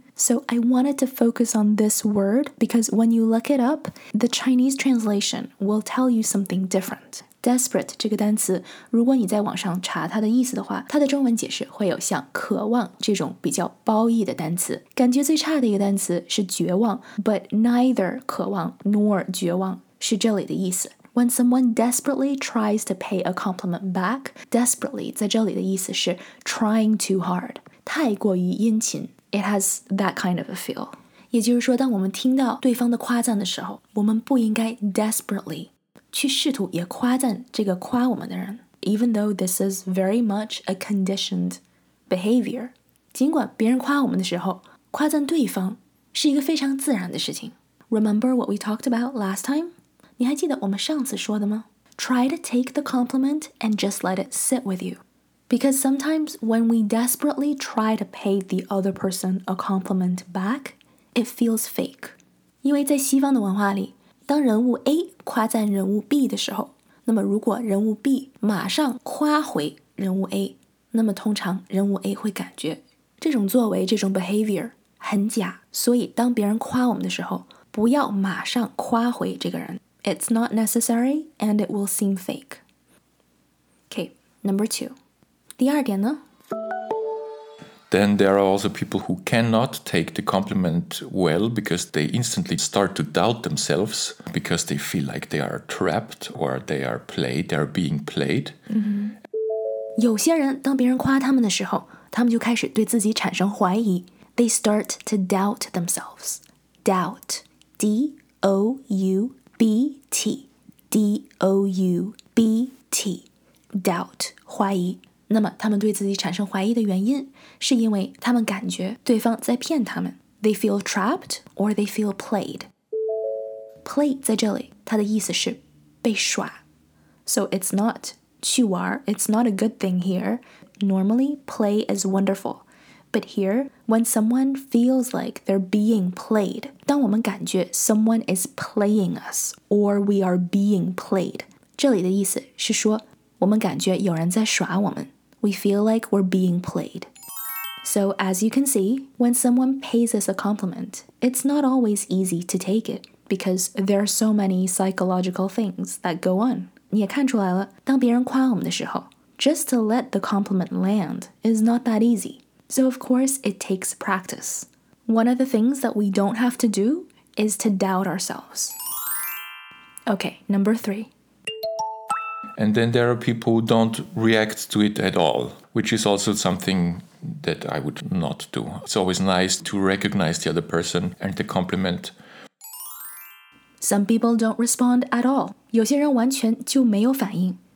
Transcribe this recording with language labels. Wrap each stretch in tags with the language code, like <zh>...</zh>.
<en>So I wanted to focus on this word because when you look it up, the Chinese translation will tell you something different.</en> <zh>Desperate 这个单词，如果你在网上查它的意思的话，它的中文解释会有像渴望这种比较褒义的单词。感觉最差的一个单词是绝望</zh> <en>but neither</en> <zh>渴望</zh> <en>nor</en> <zh>绝望是这里的意思。</zh> <en>When someone desperately tries to pay a compliment back, desperately</en> <zh>在这里的意思是</zh> <en>trying too hard,</en> <zh>太过于殷勤</zh> <en>It has that kind of a feel.</en> <zh>也就是说当我们听到对方的夸赞的时候我们不应该 desperately 去试图也夸赞这个夸我们的人</zh> <en>Even though this is very much a conditioned behavior,</en> <zh>尽管别人夸我们的时候夸赞对方是一个非常自然的事情</zh> <en>Remember what we talked about last time?</en> <zh>你还记得我们上次说的吗?</zh> <en>Try to take the compliment and just let it sit with you. Because sometimes when we desperately try to pay the other person a compliment back, it feels fake.</en> <zh>因为在西方的文化里，当人物 A 夸赞人物 B 的时候，那么如果人物 B 马上夸回人物 A, 那么通常人物 A 会感觉这种作为，这种 behavior 很假。所以当别人夸我们的时候，不要马上夸回这个人。</zh> <en>It's not necessary, and it will seem fake. Okay, number two.</en> <zh>第二点呢?</zh> <en>Then there are also people who cannot take the compliment well because they instantly start to doubt themselves because they feel like they are trapped or they are played, they are being played. Mm-hmm.</en> <zh>有些人当别人夸他们的时候他们就开始对自己产生怀疑。</zh> <en>They start to doubt themselves. Doubt. D-O-U-B-T. D-O-U-B-T. Doubt.</en> <zh>怀疑。那么他们对自己产生怀疑的原因是因为他们感觉对方在骗他们。</zh> <en>They feel trapped or they feel played.</en> <zh>Play 在这里它的意思是被耍。</zh> <en>So it's not</en> <zh>去玩</zh> <en>it's not a good thing here. Normally, play is wonderful. But here, when someone feels like they're being played,</en> <zh>当我们感觉</zh> <en>someone is playing us, or we are being played,</en> <zh>这里的意思是说我们感觉有人在耍我们。</zh> <en>We feel like we're being played. So as you can see, when someone pays us a compliment, it's not always easy to take it, because there are so many psychological things that go on.</en> <zh>你也看出来了，当别人夸我们的时候</zh> <en>Just to let the compliment land is not that easy. So of course, it takes practice. One of the things that we don't have to do is to doubt ourselves. Okay, number three. And then there are people who don't react to it at all, which is also something that I would not do. It's always nice to recognize the other person and the compliment. Some people don't respond at all.</en> <zh>有些人完全就没有反应。</zh>